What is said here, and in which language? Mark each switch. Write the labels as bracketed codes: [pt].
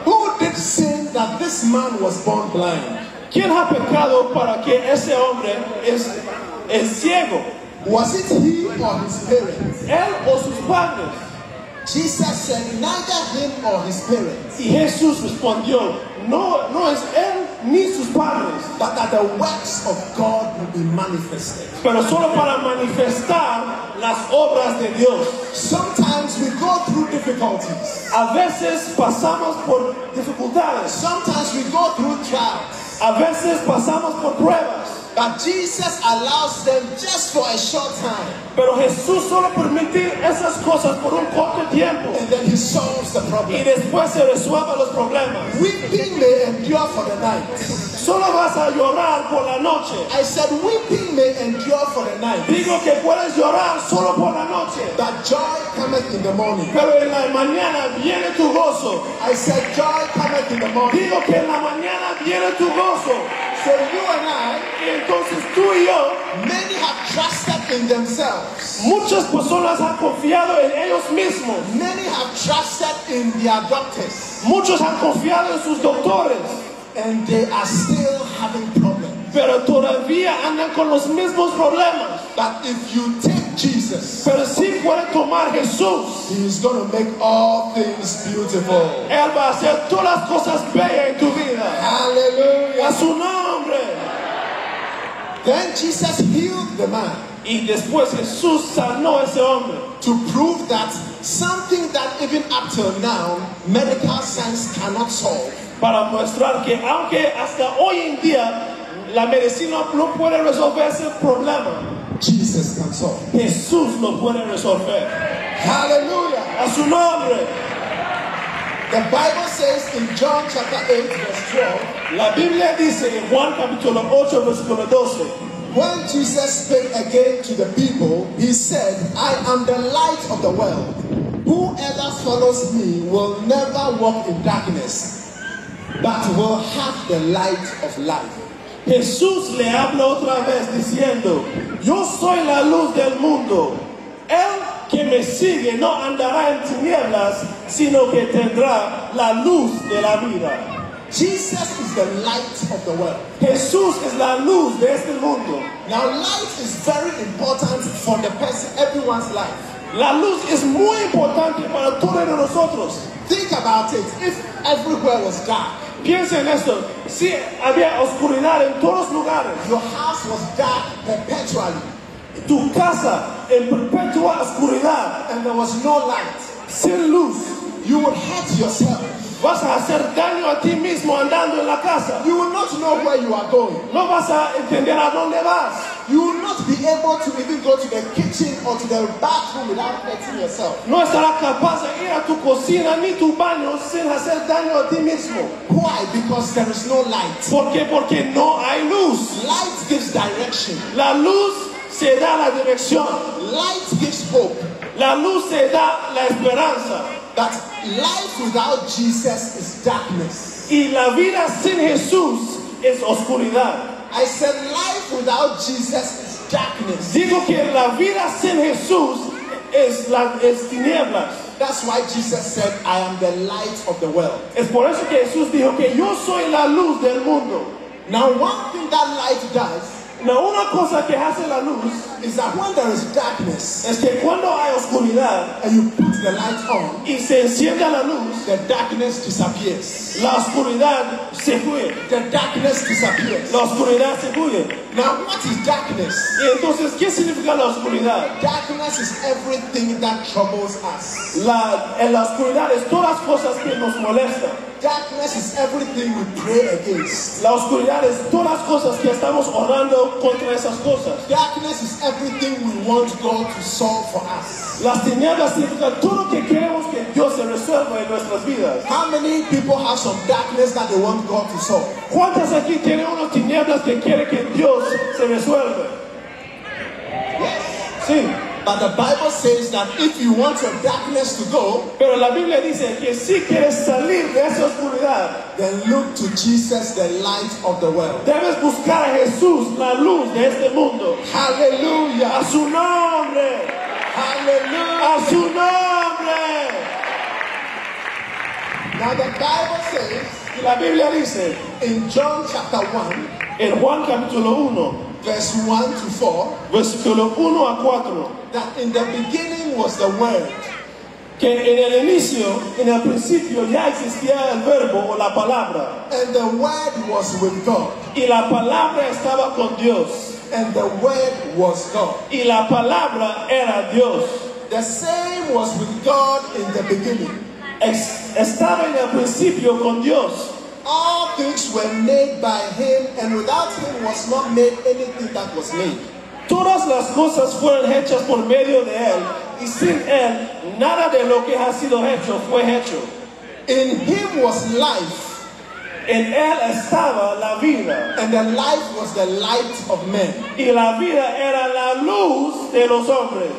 [en] Who did sin that this man was born blind? [es] ¿Quién ha pecado para que ese hombre es ciego? [en] Was it he or his parents? [es] Él o sus padres. [en] Jesus said, neither him or his parents. [es] Y Jesús respondió, no es él ni sus padres. [en] But that the works of God will be manifested. [es] Pero solo para manifestar las obras de Dios. [en] Sometimes we go through difficulties. [es] A veces pasamos por dificultades. [en] Sometimes we go through trials. [es] A veces pasamos por pruebas. [en] But Jesus allows them just for a short time. [es] Pero Jesús solo permite esas cosas por un corto tiempo. [en] And then he solves the problem. [es] Y después se resuelven los problemas. [en] Weeping may endure for the night. [es] Solo vas a llorar por la noche. [en] I said weeping may endure for the night. [es] Digo que puedes llorar solo por la noche. [en] But joy cometh in the morning. [es] Pero en la mañana viene tu gozo. [en] I said joy cometh in the morning. [es] Digo que en la mañana viene tu gozo. [en] So you and I, [es] entonces tú y yo, [en] many have trusted in themselves. [es] Muchas personas han confiado en ellos mismos. [en] Many have trusted in their doctors. [es] Muchos han confiado en sus doctores. [en] And they are still having problems. [es] Pero todavía andan con los mismos problemas. [en] But if you take Jesus, [es] pero si puedes tomar Jesús, [en] he is going to make all things beautiful. [es] Él va a hacer todas las cosas bellas en tu vida. [en] Hallelujah. [es] A su nombre. [en] Then Jesus healed the man. [es] Y después Jesús sanó a ese hombre. [en] To prove that something that even up till now, medical science cannot solve. [es] Para mostrar que aunque hasta hoy en día la medicina no puede resolver ese problema, [en] Jesus can solve. [es] Jesús lo puede resolver. [en] Hallelujah. [es] A su nombre. [en] The Bible says in John chapter 8 verse 12. [es] La Biblia dice en Juan capítulo 8 versículo 12. [en] When Jesus spoke again to the people, he said, I am the light of the world. Whoever follows me will never walk in darkness, but will have the light of life. [es] Jesús le habla otra vez diciendo, yo soy la luz del mundo. El que me sigue no andará en tinieblas, sino que tendrá la luz de la vida. [en] Jesus is the light of the world. [es] Jesús es la luz de este mundo. [en] Now light is very important for the person, everyone's life. [es] La luz es muy importante para todos nosotros. [en] Think about it, if everywhere was dark. [es] Piensa en esto, si había oscuridad en todos lugares. [en] Your house was dark perpetually. [es] Tu casa en perpetua oscuridad. [en] And there was no light. [es] Sin luz. [en] You would hurt yourself. [es] Vas a hacer daño a ti mismo andando en la casa. [en] You will not know where you are going. [es] No vas a entender a dónde vas. [en] You will not be able to even go to the kitchen or to the bathroom without hurting yourself. [es] No estarás capaz de ir a tu cocina ni tu baño sin hacer daño a ti mismo. [en] Why? Because there is no light. [es] ¿Por qué? Porque no hay luz. [en] Light gives direction. [es] La luz se da la dirección. [en] Light gives hope. [es] La luz se da la esperanza. [en] That life without Jesus is darkness. [es] Y la vida sin Jesús es oscuridad. [en] I said life without Jesus is darkness. [es] Digo que la vida sin Jesús es tinieblas. [en] That's why Jesus said, I am the light of the world. [es] Es por eso que Jesús dijo que yo soy la luz del mundo. [en] Now one thing that light does, [es] now, una cosa que hace la luz, [en] is that when there is darkness, [es] es que cuando hay oscuridad, [en] and you put the light on, [es] y se enciende la luz, [en] the darkness disappears. [es] La oscuridad se fue. [en] The darkness disappears. [es] La oscuridad se fue. [en] Now, what is darkness? [es] Y entonces, ¿qué significa la oscuridad? [en] Darkness is everything that troubles us. [es] La oscuridad es todas las cosas que nos molestan. [en] Darkness is everything we pray against. [es] La oscuridad es todas las cosas que estamos orando contra esas cosas. [en] Darkness is everything we want God to solve for us. [es] Las tinieblas significa todo lo que queremos que Dios se resuelva en nuestras vidas. [en] How many people have some darkness that they want God to solve? [es] ¿Cuántas aquí tienen unas tinieblas que quiere que Dios se resuelva? [en] Yes. [es] Sí. [en] But the Bible says that if you want your darkness to go, [es] pero la Biblia dice que si quieres salir de esa oscuridad, [en] then look to Jesus, the light of the world. [es] Debes buscar a Jesús, la luz de este mundo. [en] Hallelujah. [es] A su nombre. [en] Hallelujah. [es] A su nombre. [en] Now the Bible says, [es] y la Biblia dice, [en] in John chapter 1, [es] en Juan capítulo 1, [en] verse 1 to 4, [es] versículo 1 a 4, [en] that in the beginning was the Word. [es] Que en el inicio, en el principio, ya existía el verbo o la palabra. [en] And the Word was with God. [es] Y la palabra estaba con Dios. [en] And the Word was God. [es] Y la palabra era Dios. [en] The same was with God in the beginning. [es] Estaba en el principio con Dios. [en] All things were made by him, and without him was not made anything that was made. [es] Todas las cosas fueron hechas por medio de él, y sin él, nada de lo que ha sido hecho fue hecho. [en] In him was life. [es] En él estaba la vida. [en] And the life was the light of men. [es] Y la vida era la luz de los hombres.